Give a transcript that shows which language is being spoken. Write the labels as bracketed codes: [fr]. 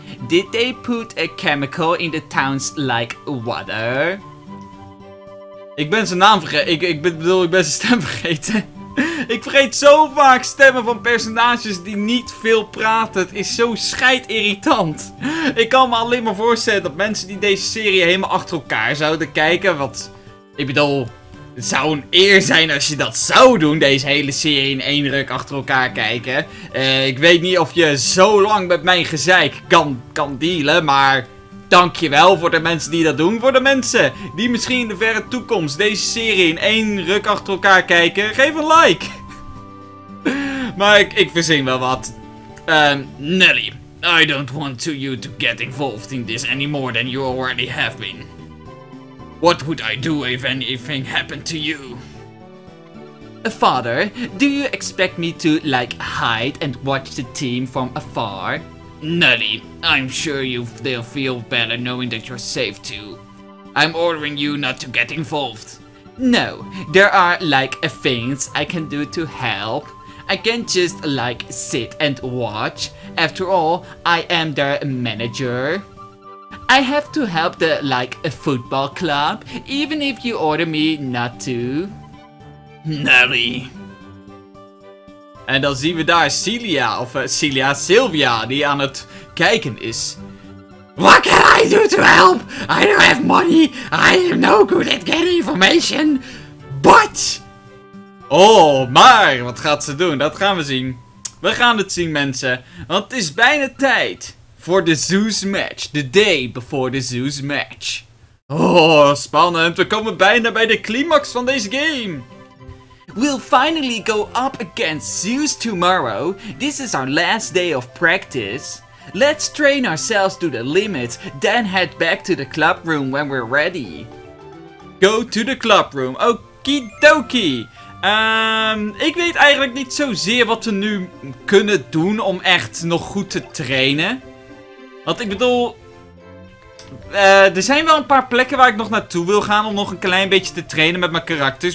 [en] Did they put a chemical in the towns like water? [nl] Ik ben zijn naam vergeten. Ik ben zijn stem vergeten. Ik vergeet zo vaak stemmen van personages die niet veel praten. Het is zo scheidirritant. Ik kan me alleen maar voorstellen dat mensen die deze serie helemaal achter elkaar zouden kijken. Want ik bedoel, het zou een eer zijn als je dat zou doen, deze hele serie in één ruk achter elkaar kijken. Ik weet niet of je zo lang met mijn gezeik kan dealen, maar dankjewel voor de mensen die dat doen. Voor de mensen die misschien in de verre toekomst deze serie in één ruk achter elkaar kijken, geef een like. Maar ik verzin wel wat. [en] Nelly, I don't want to you to get involved in this any more than you already have been. What would I do if anything happened to you? Father, do you expect me to, like, hide and watch the team from afar? Nelly, I'm sure they'll feel better knowing that you're safe too. I'm ordering you not to get involved. No, there are, like, things I can do to help. I can't just, like, sit and watch. After all, I am their manager. I have to help the, like, a football club, even if you order me not to. Nelly. [nl] En dan zien we daar Celia, of Celia, Sylvia, die aan het kijken is. [en] What can I do to help? I don't have money, I am no good at getting information, but... [nl] Oh, maar, wat gaat ze doen? Dat gaan we zien. We gaan het zien, mensen. Want het is bijna tijd. Voor de Zeus match. [en] The day before the Zeus match. [nl] Oh, spannend. We komen bijna bij de climax van deze game. [en] We'll finally go up against Zeus tomorrow. This is our last day of practice. Let's train ourselves to the limit. Then head back to the club room when we're ready. Go to the club room. Okie dokie. [nl] Ik weet eigenlijk niet zozeer wat we nu kunnen doen om echt nog goed te trainen. Want ik bedoel, er zijn wel een paar plekken waar ik nog naartoe wil gaan om nog een klein beetje te trainen met mijn karakters.